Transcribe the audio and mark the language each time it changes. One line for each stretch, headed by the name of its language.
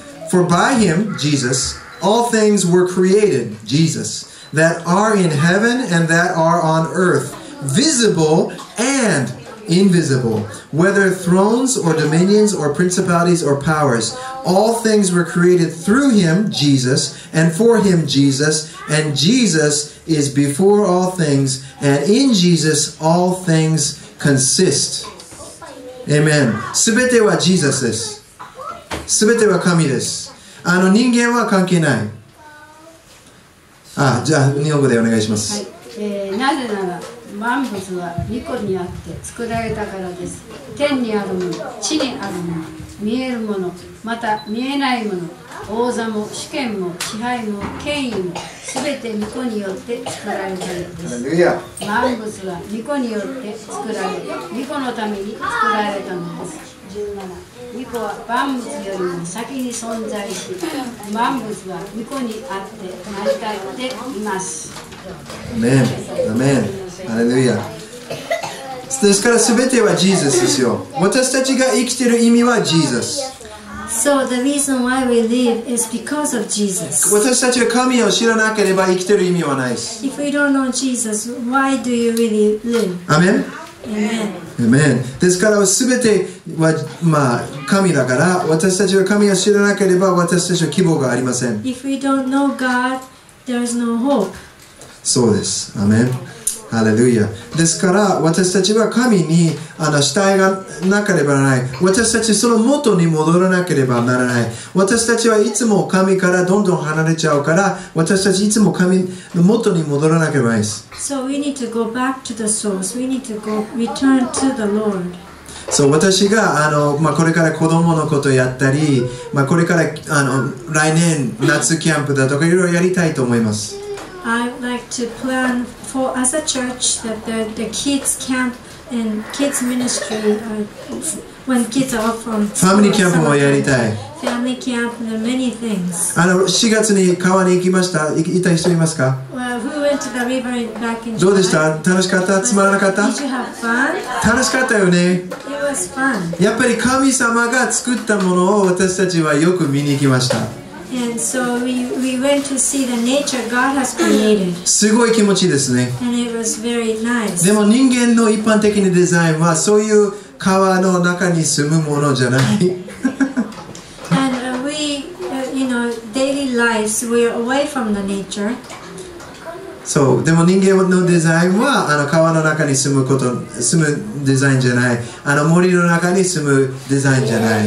English: For by him, Jesus, all things were created, Jesus, that are in heaven and that are on earth, visible and invisible, whether thrones or dominions or principalities or powers. All things were created through him, Jesus, and for him, Jesus, and Jesus is before all things, and in Jesus all things consist. Amen.
Japanese: すべてはジーザスです。すべては神です。あの人間は関係ない。あ、じゃあ日本語でお願いします。はい。なぜなら万物は御子にあって作られたからです。天にあるもの、地にあるもの、見えるもの、また見えないもの、王座も主権も支配も権威も、すべて御子によって作られたのです。万物は御子によって作られ、御子のために作られたのです。 17、御子は万物よりも先に存在し、万物は御子にあって成り立っています。アメン、アメン、ハレルヤ。ですから全てはジーザスですよ。私たちが生きている意味はジーザス。
English: So the reason why we live is because of Jesus.
Japanese: 私たちは神を知らなければ生きている意味はないです。
English: If we don't know Jesus, why do you really live?
Japanese: アメン。アメン。ですから全ては、まあ、神だから、私たちは神を知らなければ私たちは希望がありません。
English: If we don't know God, there is no hope.
Japanese: そうです。アメン。ハレルヤ。ですから、私たちは神に主体がなければならない。私たちその元に戻らなければならない。私たちはいつも神からどんどん離れちゃうから、私たちいつも神の元に戻らなければならないです。
English: So we need to go back to the source. We need to go return to the Lord.
Japanese: そう、私がまあ、これから子供のことをやったり、まあ、これから来年夏キャンプだとかいろいろやりたいと思います。
English: I'd like to plan for as a church that the kids camp and kids ministry when kids are from
Japanese: family camp もやりたい。
English: Family camp and many things.
Japanese: 4月に川に行きました。行った人いますか？
English: Well, who went to the river back in?
Japanese: どうでした？楽しかった？つまらなかった？
English: Did you have fun?
Japanese: 楽しかったよね。
English: It was fun.
Japanese: やっぱり神様が作ったものを私たちはよく見に行きました。
English: And so we went to see the nature God has created.
Japanese: すごい気持ちいいですね。
English: And it was very nice.
Japanese: でも人間の一般的なデザインはそういう川の中に住むものじゃない。
English: And we, you know, daily lives, we're away from the nature.
Japanese: そう、でも人間のデザインは川の中に住むこと、住むデザインじゃない。森の中に住むデザインじゃない。